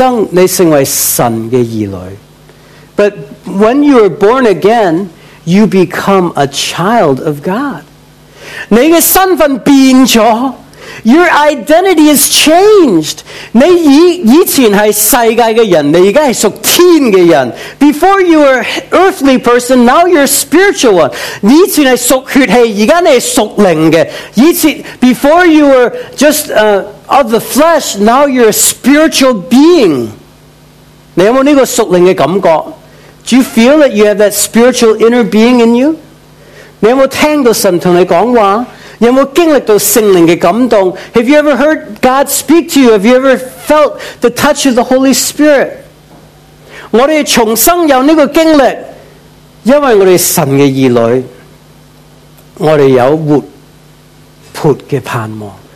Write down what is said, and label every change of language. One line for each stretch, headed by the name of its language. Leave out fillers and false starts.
Chinese: 这就是重生的经历。但你重生，你成为神的儿女。
English: But when you are born again, you become a child of God.
Chinese: 你的身份变了,
English: your identity is changed.
Chinese: 你以前是世界的人,
English: before you were earthly person, now you're a spiritual one.
Chinese: 你以前是属血气,
English: before you were just of the flesh, now you're a spiritual being.
Chinese: 你有没有这个属灵的感觉?
English: Do you feel that you have that spiritual inner being in you?
Chinese: 你有没有听到神跟你说话? 有没有经历到圣灵的感动?
English: Have you ever heard God speak to you? Have you ever felt the touch of the Holy Spirit?
Chinese: 我们重生有这个经历, 因为我们神的儿女, 我们有活泼的盼望。